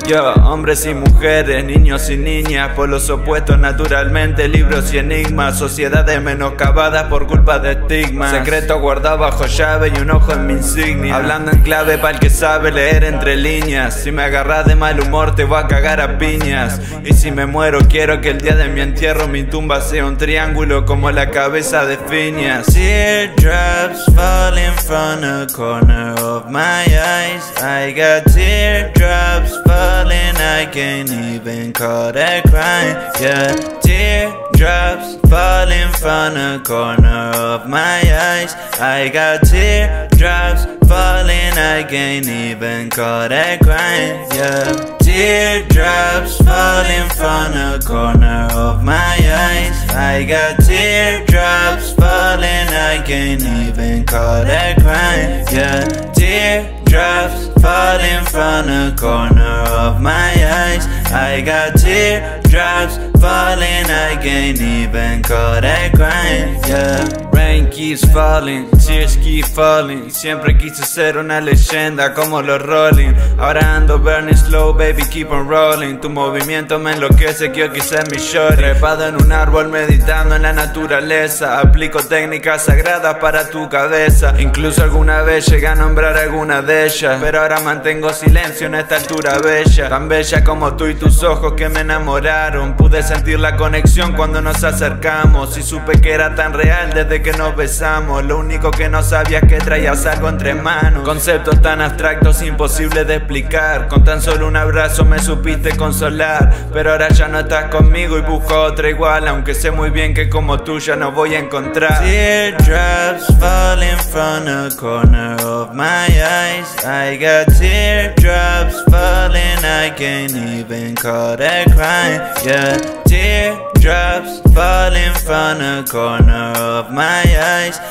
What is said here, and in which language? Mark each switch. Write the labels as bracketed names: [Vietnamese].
[Spanish] Yo, hombres y mujeres, niños y niñas, por los opuestos naturalmente, libros y enigmas, sociedades menoscabadas por culpa de estigmas, secreto guardado bajo llave y un ojo en mi insignia, hablando en clave para el que sabe leer entre líneas. Si me agarras de mal humor te voy a cagar a piñas, y si me muero quiero que el día de mi entierro mi tumba sea un triángulo como la cabeza de Phineas. [English] Teardrops falling from the corner of my eyes. I got teardrops falling, I can't even call that crying. Yeah, teardrops falling from the corner of my eyes. I got teardrops falling, I can't even call that crying. Yeah, teardrops falling from the corner of my eyes. I got teardrops falling, I can't even call that crying. Yeah, teardrops falling from the corner of my eyes. I got teardrops falling, I can't even call that crying. Yeah. Rain keeps falling, tears keep falling. [Spanish] Siempre quise ser una leyenda como los Rolling. Ahora ando [English] burning slow, baby, keep on rolling. [Spanish] Tu movimiento me enloquece, quiero que sea mi shorty. Trepado en un árbol, meditando en la naturaleza. Aplico técnicas sagradas para tu cabeza. Incluso alguna vez llegué a nombrar alguna de ellas, pero ahora mantengo silencio en esta altura bella. Tan bella como tú y tus ojos que me enamoraron. Pude sentir la conexión cuando nos acercamos, y supe que era tan real desde que nos besamos. Lo único que no sabía es que traías algo entre manos. Conceptos tan abstractos, imposibles de explicar. Con tan solo un abrazo me supiste consolar. Pero ahora ya no estás conmigo y busco otra igual. Aunque sé muy bien que como tú ya no voy a encontrar. [English] Teardrops falling from the corner of my eyes. I got teardrops falling, I can't even call that crying. Yeah, teardrops falling from the corner of my eyes.